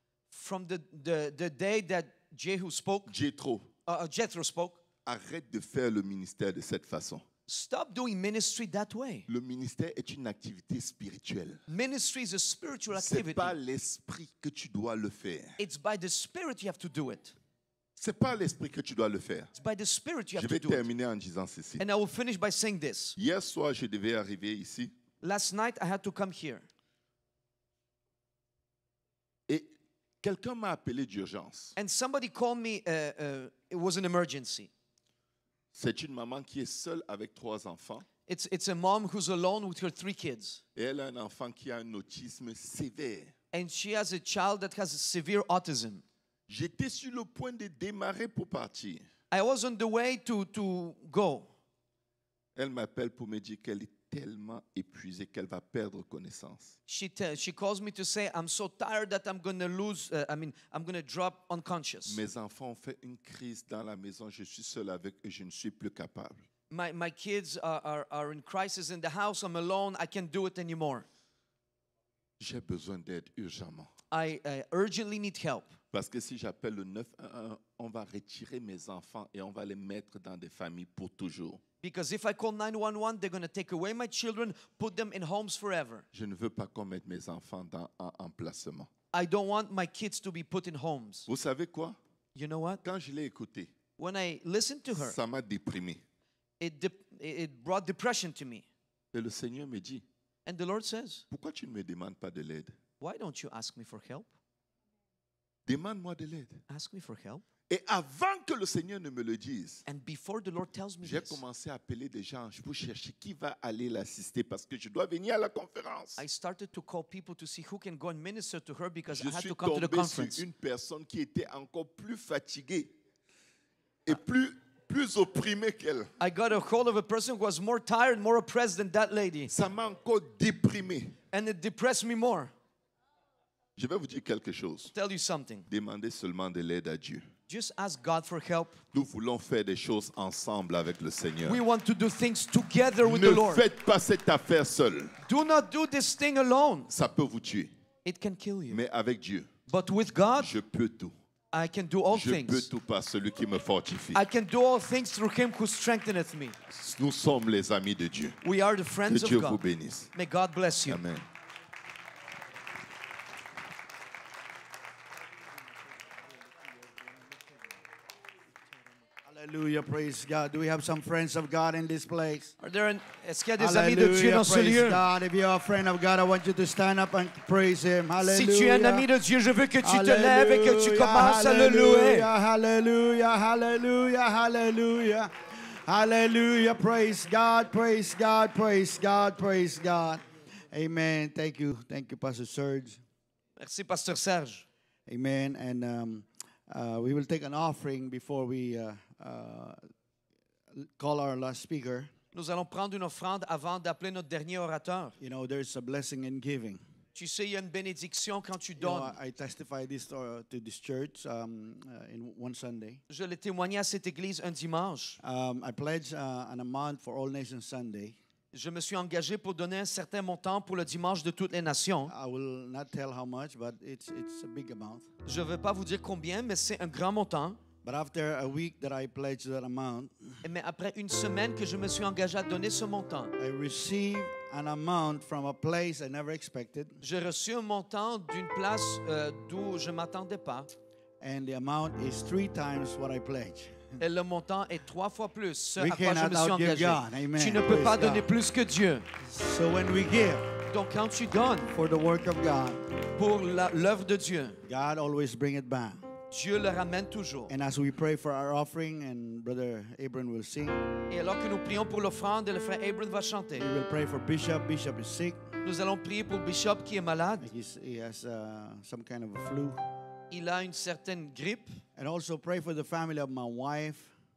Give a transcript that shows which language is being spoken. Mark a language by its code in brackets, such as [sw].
[en] From the day that Jehu spoke. Jethro spoke. [fr] Arrête de faire le ministère de cette façon. [en] Stop doing ministry that way. [fr] Le ministère est une activité spirituelle. [en] Ministry is a spiritual activity. [fr] C'est pas l'esprit que tu dois le faire. [en] It's by the spirit you have to do it. [fr] C'est pas l'esprit que tu dois le faire. [en] It's by the spirit you have [fr] Je vais [en] to do [fr] terminer [en] it. [fr] En disant ceci. [en] And I will finish by saying this. [fr] Hier soir, je devais arriver ici. [en] Last night I had to come here. [fr] Quelqu'un m'a appelé d'urgence. [en] And somebody called me, it was an emergency. [fr] C'est une maman qui est seule avec trois enfants. [en] It's a mom who's alone with her three kids. [fr] Et elle a un enfant qui a un autisme sévère. [en] And she has a child that has a severe autism. [fr] J'étais sur le point de démarrer pour partir. [en] I was on the way to go. [fr] Elle m'appelle pour me dire qu'elle est tellement épuisée qu'elle va perdre connaissance. [en] She calls me to say I'm so tired that I'm going to lose I'm going to drop unconscious. [fr] Mes enfants ont fait une crise dans la maison, je suis seul avec eux, je ne suis plus capable. [en] My kids are in crisis in the house, I'm alone, I can't do it anymore. [fr] J'ai besoin d'aide urgemment. [en] I urgently need help. [fr] Parce que si j'appelle le 911, on va retirer mes enfants et on va les mettre dans des familles pour toujours. [en] Because if I call 911, they're going to take away my children, put them in homes forever. [fr] Je ne veux pas qu'on mette mes enfants dans un emplacement. [en] I don't want my kids to be put in homes. [fr] Vous savez quoi? [en] You know what? [fr] Quand je l'ai écouté, [en] when I listened to her, [fr] ça m'a déprimé. [en] It brought depression to me. [fr] Et le Seigneur me dit, [en] and the Lord says, [fr] pourquoi tu ne me demandes pas de l'aide? [en] Why don't you ask me for help? [fr] Demande-moi de l'aide. [en] Ask me for help. [fr] Et avant que le Seigneur ne me le dise, [en] and before the Lord tells me [fr] j'ai [en] this, [fr] commencé à appeler des gens pour chercher qui va aller l'assister parce que je dois venir à la conférence. [en] I started to call people to see who can go and minister to her because [fr] je [en] I had to come to the conference. [fr] Je suis tombé sur une personne qui était encore plus fatiguée et plus opprimée qu'elle. [en] I got a hold of a person who was more tired, more oppressed than that lady. [fr] Ça m'a encore déprimé. [en] And it depressed me more. [fr] Je vais vous dire quelque chose. [en] Tell you something. [fr] Demandez seulement de l'aide à Dieu. [en] Just ask God for help. [fr] Nous voulons faire des choses ensemble avec le Seigneur. [en] We want to do things together with [fr] ne [en] the Lord. [fr] Ne faites pas cette affaire seul. [en] Do not do this thing alone. [fr] Ça peut vous tuer. [en] It can kill you. [fr] Mais avec Dieu, [en] but with God, [fr] je peux tout. [en] I can do all [fr] je [en] things. [fr] Je peux tout par celui qui me fortifie. [en] I can do all things through Him who strengtheneth me. [fr] Nous sommes les amis de Dieu. [en] We are the friends [fr] que Dieu [en] of God. [fr] Vous bénisse. [en] May God bless you. Amen. Hallelujah, praise God. Do we have some friends of God in this place? Are there any [fr] amis de Dieu dans ce lieu? [en] Hallelujah, praise God. If you are a friend of God, I want you to stand up and praise Him. Hallelujah. [fr] Si tu es un ami de Dieu, je veux que tu te lèves et que tu commences à le louer. [en] Hallelujah, hallelujah, hallelujah. Hallelujah, praise God, praise God, praise God, praise God. Amen. Thank you, Pastor Serge. [fr] Merci, Pastor Serge. [en] Amen. And we will take an offering before we call our last speaker. [fr] Nous allons prendre une offrande avant d'appeler notre dernier orateur. [en] You know, there's a blessing in giving. [fr] Tu sais, il y a une bénédiction quand tu donnes. [en] You know, I testified this to this church in one Sunday. [fr] Je l'ai témoigné à cette église un dimanche. [en] I pledged an amount for All Nations Sunday. [fr] Je me suis engagé pour donner un certain montant pour le dimanche de toutes les nations. [en] I will not tell how much, but it's a big amount. [fr] Je ne vais pas vous dire combien, mais c'est un grand montant. [en] But after a week that I pledged that amount, [fr] mais après une semaine que je me suis engagé à donner ce montant, [en] I received an amount from a place I never expected. [fr] J'ai reçu un montant d'une place d'où je ne m'attendais pas. [en] And the amount is three times what I pledged. [fr] Et le montant est trois fois plus ce [en] we [fr] à quoi je me suis engagé. [en] God. Amen. [fr] Tu ne peux [en] praise [fr] pas donner [en] God. [fr] Plus que Dieu. [en] So when we give, [fr] donc quand tu donnes [en] for the work of God, [fr] pour l'œuvre de Dieu, [en] God always bring it back. [fr] Dieu le ramène toujours. [en] And as we pray for our offering, and Brother Abram will sing. [fr] Et alors que nous prions pour l'offrande, le frère Abram va chanter. [en] We will pray for Bishop. Bishop is sick. [fr] Nous allons prier pour Bishop qui est malade. [en] He has some kind of a flu. [fr] Il a une certaine grippe. [en] And also pray for the family of my wife.